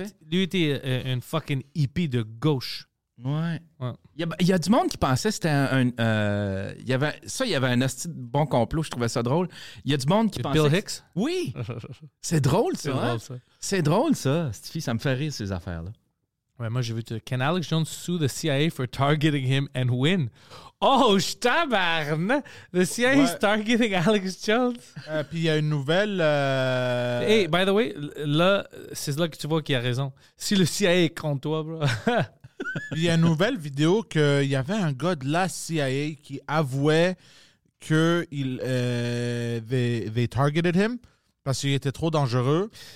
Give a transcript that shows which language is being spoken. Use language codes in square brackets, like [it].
[fr] Lui était une fucking hippie de gauche. Ouais. Il y a du monde qui pensait que c'était il y avait un hostie de bon complot, je trouvais ça drôle. Il y a du monde qui pensait... Bill Hicks? Oui! C'est drôle, ça. C'est drôle, ça. Ça me fait rire, ces affaires-là. Ouais, moi, j'ai vu... [en] Can Alex Jones sue the CIA for targeting him and win? Oh, [fr] je tabarne! [en] The CIA is targeting Alex Jones? [fr] Puis il y a une nouvelle... [en] Hey, by the way, [fr] là, c'est là que tu vois qu'il a raison. Si le CIA est contre toi, bro... Il y a une nouvelle vidéo qu'il y avait un gars de la CIA qui avouait qu'il [en] they targeted him [fr] parce qu'il était trop dangereux.